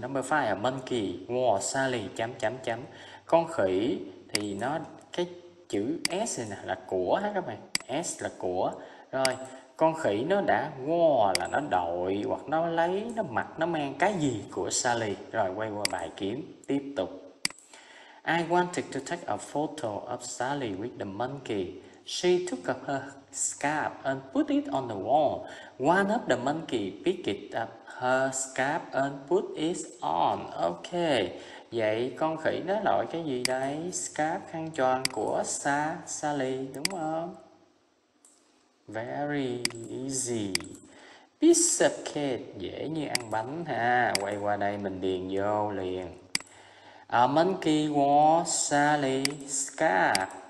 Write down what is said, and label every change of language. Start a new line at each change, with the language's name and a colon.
English: Number 5, a monkey. Wow, Sally,
Vietnamese: chấm chấm chấm. Con khỉ thì nó, cái chữ S này nè, là của ha các bạn. S là của. Rồi, con khỉ nó đã wow là nó đội, hoặc nó lấy, nó mặc, nó mang cái gì của Sally. Rồi, quay qua bài kiếm, tiếp tục.
English: I wanted to take a photo of Sally with the monkey. She took up her scarf and put it on the wall. One of the monkey picked up her scarf and put it on.
Vietnamese: Ok, vậy con khỉ nó loại cái gì đây? Scarf, khăn tròn của Sally, đúng không?
English: Very easy. Piece of cake,
Vietnamese: dễ như ăn bánh ha. Quay qua đây mình điền vô liền.
English: A monkey wore Sally's scarf.